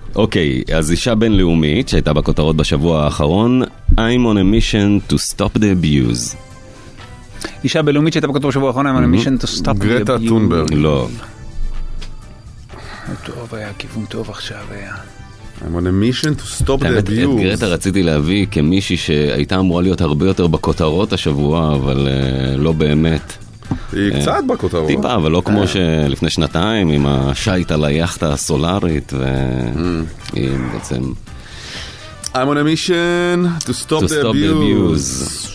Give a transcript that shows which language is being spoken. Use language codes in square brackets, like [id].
[he] אוקיי, אז אישה בינלאומית שהייתה בכותרות בשבוע האחרון, [en] I'm on a mission to stop the abuse. [he] אישה בינלאומית שהייתה בכותרות בשבוע האחרון, [en] I'm on a mission to stop the abuse. [he] גרטה טונברג. לא. טוב היה, כיוון טוב עכשיו היה. [en] I'm on a mission to stop the abuse. [he] את גרטה רציתי להביא כמישהי שהייתה אמורה להיות הרבה יותר בכותרות השבוע, אבל לא באמת. היא קצת בכותרות. טיפה, אבל לא כמו שלפני שנתיים עם השייט על היחטה הסולארית והיא בעצם [en] I'm on a mission to stop the abuse.